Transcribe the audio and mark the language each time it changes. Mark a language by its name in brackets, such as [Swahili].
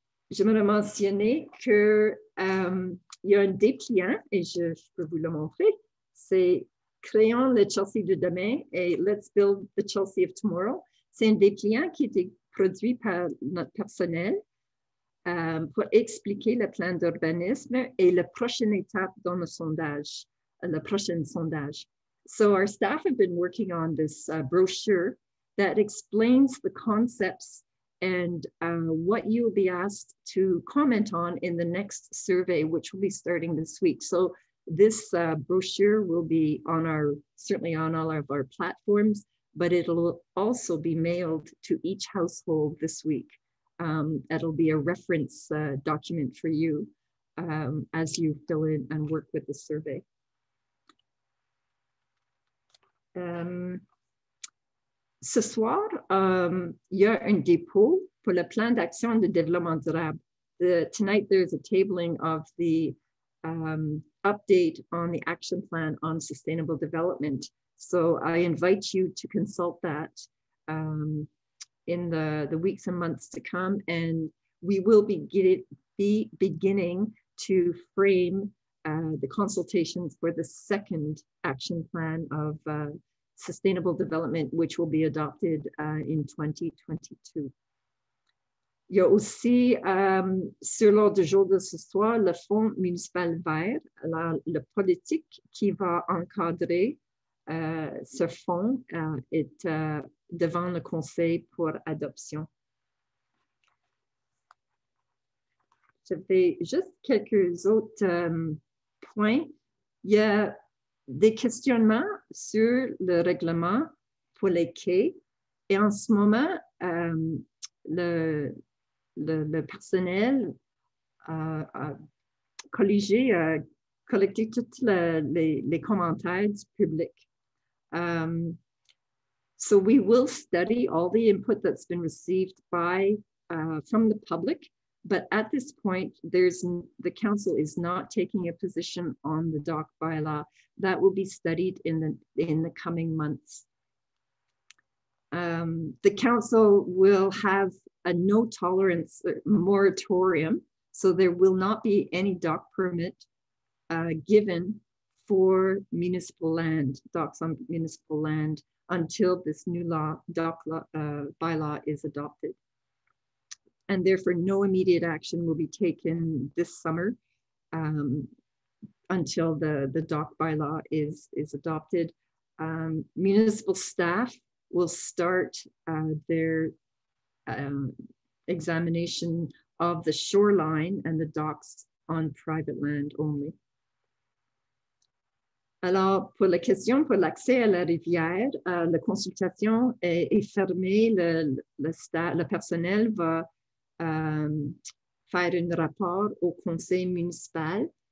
[French] J'aimerais mentionner qu'il y a un dépliant, et je peux vous le montrer, c'est « Créons le Chelsea de demain » et « [English] Let's build the Chelsea of tomorrow ». [French] C'est un dépliant qui a été produit par notre personnel pour expliquer le plan d'urbanisme et la prochaine étape dans le sondage, le prochain sondage. [English] So our staff have been working on this brochure that explains the concepts and what you'll be asked to comment on in the next survey, which will be starting this week. So this brochure will be on all of our platforms, but it'll also be mailed to each household this week. It'll be a reference document for you as you fill in and work with the survey. [French] Ce soir, il y a un dépôt pour le plan d'action de développement durable. [English] Tonight, there's a tabling of the update on the action plan on sustainable development. So I invite you to consult that in the weeks and months to come. And we will be beginning to frame the consultations for the second action plan of sustainable development, which will be adopted in 2022. [French] Il y a aussi, sur l'ordre du jour de ce soir, le Fonds municipal vert, la politique qui va encadrer ce fonds est devant le conseil pour adoption. J'avais juste quelques autres points. Il y a des questionnements sur le règlement pour les quais. Et en ce moment, le personnel a colligé, a collecté toutes les commentaires du public. [English] So we will study all the input that's been received by from the public, but at this point, the council is not taking a position on the DOC bylaw. That will be studied in the coming months. The council will have a no tolerance moratorium, so there will not be any DOC permit given for municipal land, DOCs on municipal land, until this new law, DOC law, bylaw is adopted. And therefore no immediate action will be taken this summer until the DOC bylaw is adopted. Municipal staff will start their examination of the shoreline and the docks on private land only. [French] Alors, pour la question pour l'accès à la rivière, la consultation est fermée. Le personnel va faire un rapport au conseil municipal.